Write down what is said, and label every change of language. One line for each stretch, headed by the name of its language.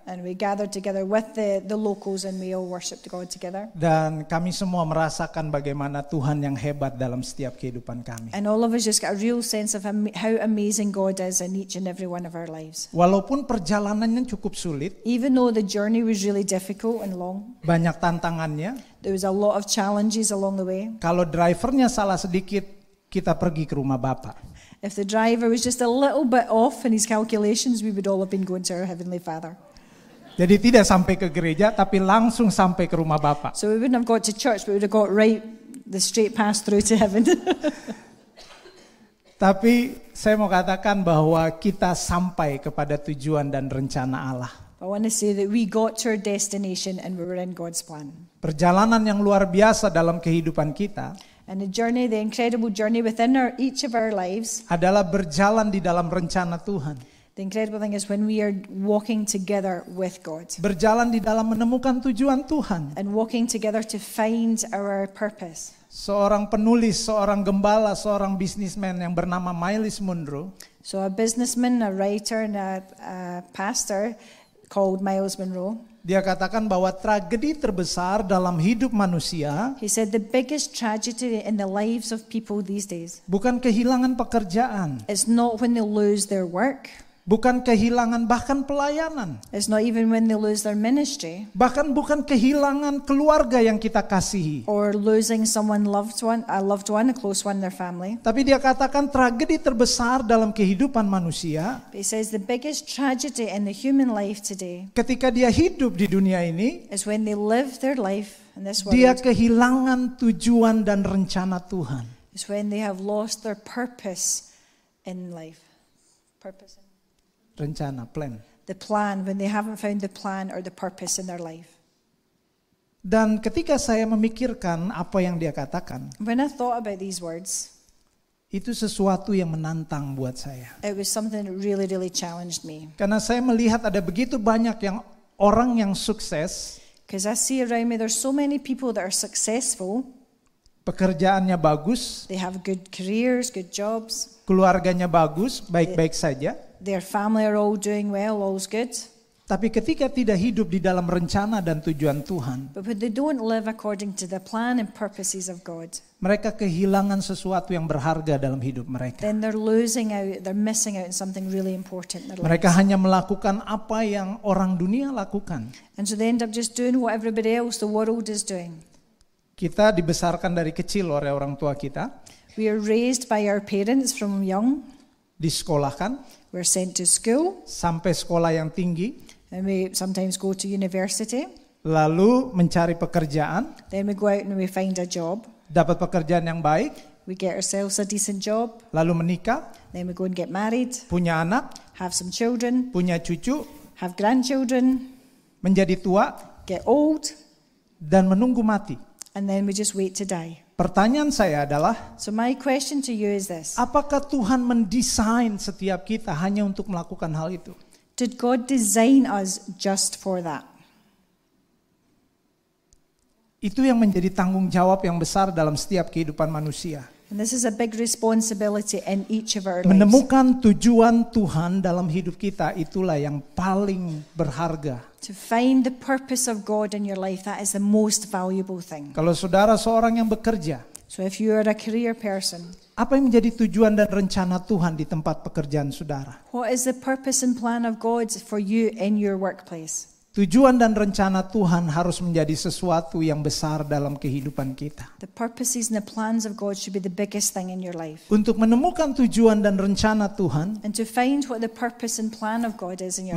English: And we gathered together with the locals and we all worshiped God together.
Indonesian: Dan kami semua merasakan bagaimana Tuhan yang hebat dalam setiap kehidupan kami.
English: And all of us just got a real sense of how amazing God is in each and every one of our lives.
Indonesian: Walaupun perjalanannya cukup sulit.
English: Even though the journey was really difficult and long.
Indonesian: Banyak tantangannya.
English: There was a lot of challenges along the way.
Indonesian: Kalau drivernya salah sedikit, kita pergi ke rumah Bapa.
English: If the driver was just a little bit off in his calculations, we would all have been going to our Heavenly Father.
Indonesian: Jadi tidak sampai ke gereja, tapi langsung sampai ke rumah Bapa.
English: So we wouldn't have got to church, but we would have got right the straight pass through to heaven.
Indonesian: Tapi saya mau katakan bahwa kita sampai kepada tujuan dan rencana Allah.
English: I want to say that we got to our destination and we were in God's plan.
Indonesian: Perjalanan yang luar biasa dalam kehidupan kita.
English: And the journey, the incredible journey within each of our lives,
Indonesian: adalah berjalan di dalam rencana Tuhan.
English: The incredible thing is when we are walking together with God.
Indonesian: Berjalan di dalam menemukan tujuan Tuhan.
English: And walking together to find our purpose.
Indonesian: Seorang penulis, seorang gembala, seorang businessman yang bernama Miles Monroe.
English: So a businessman, a writer, and a pastor called Miles Monroe.
Indonesian: Dia katakan bahwa tragedi terbesar dalam hidup manusia.
English: He said the biggest tragedy in the lives of people these days.
Indonesian: Bukan kehilangan pekerjaan.
English: It's not when they lose their work.
Indonesian: Bukan kehilangan bahkan pelayanan.
English: It's not even when they lose their ministry.
Indonesian: Bahkan bukan kehilangan keluarga yang kita kasihi.
English: Or losing someone loved one, a loved one, a close one, their family.
Indonesian: Tapi dia katakan tragedi terbesar dalam kehidupan manusia.
English: He says the biggest tragedy in the human life today.
Indonesian: Ketika dia hidup di dunia ini.
English: Is when they live their life in this world.
Indonesian: Dia kehilangan tujuan dan rencana Tuhan.
English: Is when they have lost their purpose in life. Purpose.
Indonesian: Rencana, plan.
English: The plan, when they haven't found the plan or the purpose in their life.
Indonesian: Dan ketika saya memikirkan apa yang dia katakan.
English: When I thought about these words.
Indonesian: Itu sesuatu yang menantang buat saya.
English: It was something that really, really challenged me.
Indonesian: Karena saya melihat ada begitu banyak yang orang yang sukses.
English: Because I see around me there's so many people that are successful.
Indonesian: Pekerjaannya bagus.
English: They have good careers, good jobs.
Indonesian: Keluarganya bagus, baik-baik saja.
English: Their family are all doing well, all's good.
Indonesian: Tapi ketika tidak hidup di dalam rencana dan tujuan Tuhan.
English: But when they don't live according to the plan and purposes of God.
Indonesian: Mereka kehilangan sesuatu yang berharga dalam hidup mereka.
English: Then they're losing out, they're missing out on something really important in their lives.
Indonesian: Mereka hanya melakukan apa yang orang dunia lakukan.
English: And so they end up just doing what everybody else, the world is doing.
Indonesian: Kita dibesarkan dari kecil oleh orang tua kita.
English: We are raised by our parents from young.
Indonesian: Disekolahkan.
English: We're sent to school.
Indonesian: Sampai sekolah yang tinggi.
English: And we sometimes go to university.
Indonesian: Lalu mencari pekerjaan.
English: Then we go out and we find a job.
Indonesian: Dapat pekerjaan yang baik.
English: We get ourselves a decent job.
Indonesian: Lalu menikah.
English: Then we go and get married.
Indonesian: Punya anak.
English: Have some children.
Indonesian: Punya cucu.
English: Have grandchildren.
Indonesian: Menjadi tua.
English: Get old.
Indonesian: Dan menunggu mati.
English: And then we just wait to die.
Indonesian: Pertanyaan saya adalah,
English: so my question to you is this.
Indonesian: Apakah Tuhan mendesain setiap kita hanya untuk melakukan hal itu?
English: Did God design us just for that?
Indonesian: Itu yang menjadi tanggung jawab yang besar dalam setiap kehidupan manusia.
English: And this is a big responsibility in each of our lives.
Indonesian: Menemukan tujuan Tuhan dalam hidup kita itulah yang paling berharga.
English: To find the purpose of God in your life, that is the most valuable thing.
Indonesian: Kalau saudara seorang yang bekerja.
English: So if you are a career person.
Indonesian: Apa yang menjadi tujuan dan rencana Tuhan di tempat pekerjaan saudara?
English: What is the purpose and plan of God for you in your workplace?
Indonesian: Tujuan dan rencana Tuhan harus menjadi sesuatu yang besar dalam kehidupan kita.
English: The purposes and the plans of God should be the biggest thing in your life.
Indonesian: Untuk menemukan tujuan dan rencana Tuhan.
English: And to find what the purpose and plan of God is in your